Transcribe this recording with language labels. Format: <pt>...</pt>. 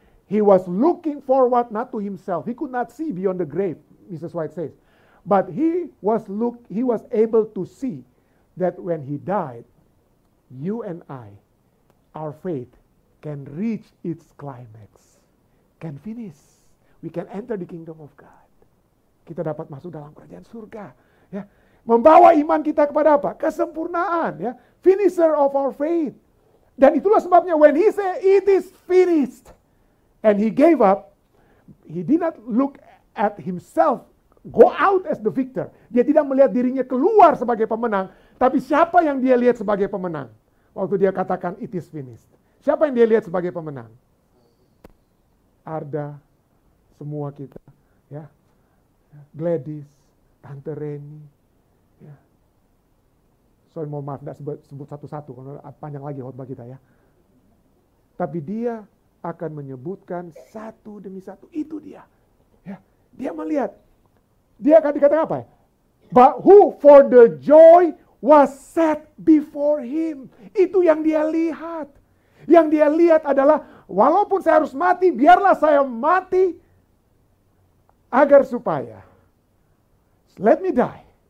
<en>He was looking forward not to himself. He could not see beyond the grave, Mrs. White says. But he was able to see that when he died, you and I, our faith can reach its climax. Can finish. We can enter the kingdom of God.</en> <id>Kita dapat masuk dalam kerajaan surga. Ya. Membawa iman kita kepada apa? Kesempurnaan. Ya.</id> <en>Finisher of our faith.</en> <id>Dan itulah sebabnya</id> <en>when he say it is finished, and he gave up, he did not look at himself, go out as the victor.</en> <id>Dia tidak melihat dirinya keluar sebagai pemenang, tapi siapa yang dia lihat sebagai pemenang? Waktu dia katakan,</id> <en>it is finished.</en> <id>Siapa yang dia lihat sebagai pemenang? Arda, semua kita. Ya. Gladys, Tante Reni. Ya. Sorry, mohon maaf, tidak sebut satu-satu, karena panjang lagi khotbah kita ya. Tapi dia akan menyebutkan satu demi satu. Itu dia. Ya. Dia melihat. Dia akan dikatakan apa ya?</id> <en>But who for the joy was set before him.</en> <id>Itu yang dia lihat. Yang dia lihat adalah, walaupun saya harus mati, biarlah saya mati. Agar supaya.</id> <en>Let me die.</en>